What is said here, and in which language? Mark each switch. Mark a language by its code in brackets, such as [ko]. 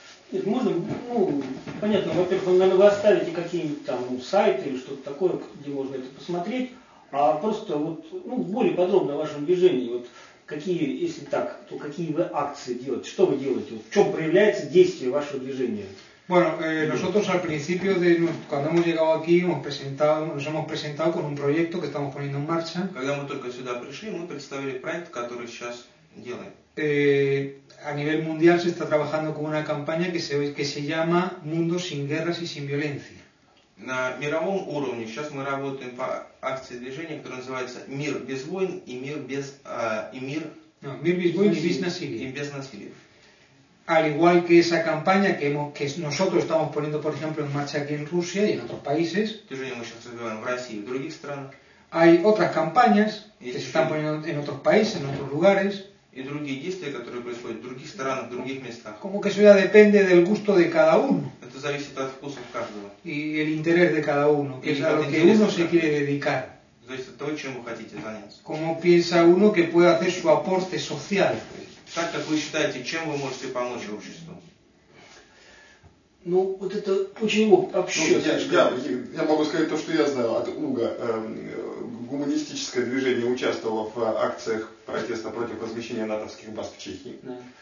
[ru] Нет, можно, ну, понятно, во-первых, вы, наверное, вы оставите какие-нибудь там сайты или что-то такое, где можно это посмотреть. А просто вот, ну, более подробно о вашем движении, вот какие, если так, то какие вы акции делаете, что вы делаете, вот, в чем проявляется действие вашего движения? [es] Bueno, nosotros al principio de cuando hemos llegado aquí nos hemos presentado con un proyecto que estamos poniendo en marcha. [ru] Когда мы только сюда пришли, мы представили проект, который сейчас делаем. [es] A nivel mundial se está trabajando con una campaña que se llama Mundo sin guerras y sin violencia. [ru] На мировом уровне сейчас мы работаем по акции движения, которая называется «Мир без войн и мир без мир без войн и без насилия». И без насилия. [es] Al igual que esa campaña que nosotros estamos poniendo, por ejemplo, en marcha aquí en Rusia y en otros países. [ru] Движение мы сейчас развиваем в России и в других странах. [es] Hay otras campañas que se están poniendo en otros países, en otros lugares. [ru] И другие действия, которые происходят в других странах, в других местах. [es] Como que eso ya depende del gusto de cada uno. [ru] Это зависит от вкуса каждого. [es] Y el interés de cada uno, que es a lo que uno se quiere dedicar. [ru] Зависит от того, чем вы хотите заняться. [es] Como piensa uno que puede hacer su aporte social. [ru] Как вы считаете, чем вы можете помочь обществу? Ну, вот это очень общее. Я могу сказать то, что я знаю от УГА. Гуманистическое движение участвовало в акциях протеста против размещения натовских баз в Чехии. Да.